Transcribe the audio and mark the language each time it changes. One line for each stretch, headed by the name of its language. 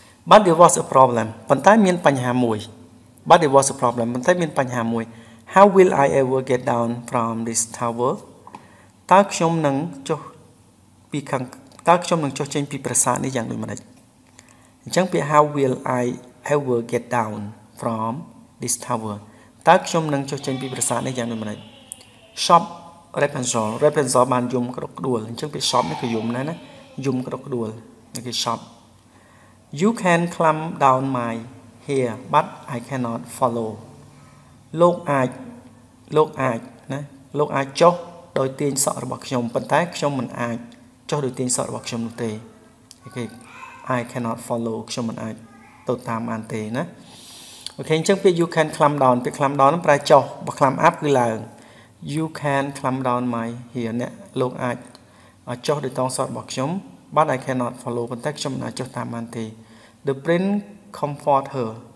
English: But there was a problem
Khmer: ប៉ុន្តែមានបញ្ហាមួយ
English: But there was a problem ប៉ុន្តែមានបញ្ហាមួយ How will I ever get down from this tower
Khmer: តើខ្ញុំនឹងចុះពីខាងតើខ្ញុំនឹងចុះចេញពីប្រាសាទនេះយ៉ាងដូចម្តេចអញ្ចឹងពាក្យ
English: How will I ever get down fromThis tower.
Khmer: តើខ្ញុំនឹងចុះចេញពីប្រាសាទនេះយ៉ាងដូចម្តេច? Shop Repunzel. Repunzel បានយំក្តុកក្តួលអញ្ចឹងពាក្យ shop នេះក៏យំដែរណាយំក្តុកក្តួលនេះគេ shop.
English: You can climb down my hair but I cannot follow.
Khmer: លោកអាចណាលោកអាចចុះដោយទាញសក់របស់ខ្ញុំប៉ុន្តែខ្ញុំមិនអាចចុះដោយទាញសក់របស់ខ្ញុំនោះទេ. Okay.
English: I cannot follow
Khmer: ខ្ញុំមិនអាចទៅតាមបានទេណាโอเคអញ្ចឹងពាក្យ
English: you can climb down
Khmer: ពាក្យ climb down ប្រែចុះបើ climb up គឺឡើង
English: you can climb down my hair
Khmer: អ្នកលោកអាចចុះដោយតងសតរបស់ខ្ញុំ
English: but I cannot follow
Khmer: ប៉ុន្តែខ្ញុំមិនអាចចុះតាមបានទេ
English: the prince comfort her